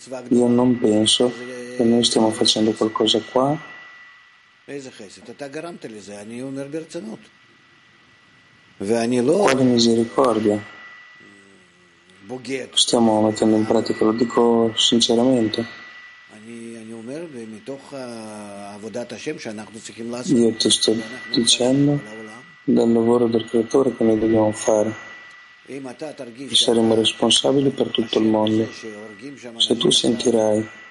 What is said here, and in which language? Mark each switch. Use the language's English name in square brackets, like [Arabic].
[Italian] Io non penso che noi stiamo facendo qualcosa qua. [Hebrew] איזה חסד, אתה גרמת לזה, אני אומר ברצינות. ואני לא... [Italian] Quale misericordia. Stiamo mettendo in pratica, lo dico sinceramente. Io ti sto dicendo dal lavoro del creatore che noi dobbiamo fare e saremo responsabili per tutto il mondo se tu sentirai